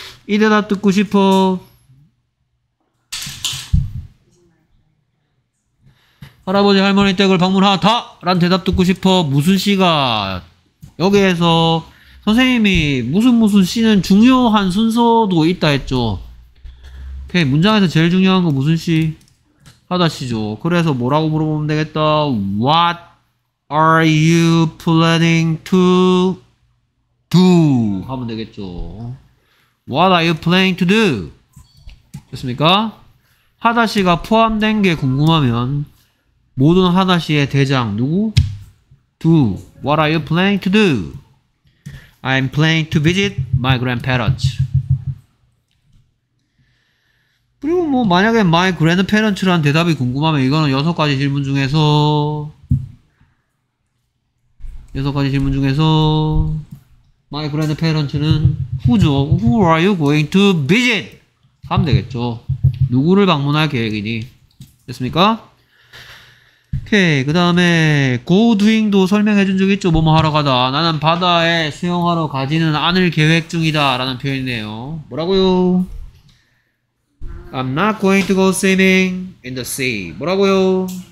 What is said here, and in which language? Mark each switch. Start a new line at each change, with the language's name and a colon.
Korean: 이 대답 듣고 싶어 할아버지 할머니 댁을 방문하다 라는 대답 듣고 싶어 무슨 씨가 여기에서 선생님이 무슨 무슨 씨는 중요한 순서도 있다 했죠. 오케이 문장에서 제일 중요한 거 무슨 씨 하다 씨죠. 그래서 뭐라고 물어보면 되겠다.
English: What are you planning to do
Korean: 하면 되겠죠.
English: What are you planning to do
Korean: 됐습니까? 하다 씨가 포함된 게 궁금하면 모든 하다시의 대장 누구?
English: Do What are you planning to do? I'm planning to visit my grandparents.
Korean: 그리고 뭐 만약에
English: my grandparents
Korean: 라는 대답이 궁금하면 이거는 여섯 가지 질문 중에서 my grandparents는 who죠?
English: Who are you going to visit?
Korean: 하면 되겠죠. 누구를 방문할 계획이니? 됐습니까? 오케이 그 다음에 go doing도 설명해 준적 있죠 뭐뭐 하러 가다 나는 바다에 수영하러 가지는 않을 계획 중이다 라는 표현이네요 뭐라고요?
English: I'm not going to go swimming in the sea
Korean: 뭐라고요?